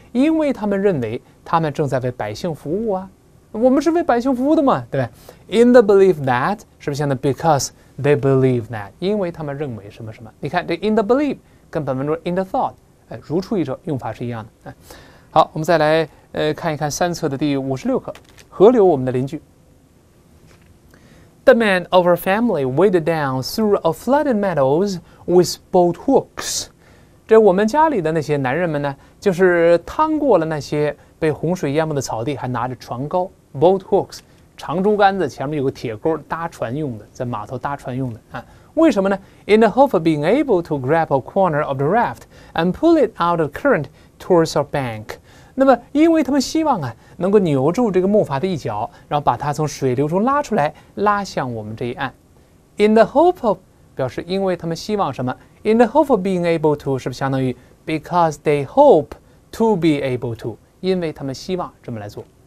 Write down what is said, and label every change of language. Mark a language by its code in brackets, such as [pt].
[zh] 因为他们认为他们正在为百姓服务啊，我们是为百姓服务的嘛，对吧？ [en] In the belief that [zh] 是不是像 because [en] They believe that， [zh] 因为他们认为什么什么。你看这 [en] in the believe [zh] 跟本文中 [en] in the thought， [zh] 如出一辙，用法是一样的。好，我们再来看一看三册的第56课，河流我们的邻居。 [en] The man of our family waded down through a flooded meadows with boat hooks. [zh] 这我们家里的那些男人们呢，就是趟过了那些被洪水淹没的草地，还拿着船篙 boat hooks， 长竹竿子，前面有个铁钩，搭船用的，在码头搭船用的啊。为什么呢 [en] ？In the hope of being able to grab a corner of the raft and pull it out of the current towards our bank. [zh] 那么因为他们希望啊能够扭住这个木筏的一角，然后把它从水流中拉出来，拉向我们这一岸。 [en] In the hope of [zh] 表示因为他们希望什么， [en] In the hope of being able to [zh] 是不是相当于 [en] Because they hope to be able to， [zh] 因为他们希望这么来做。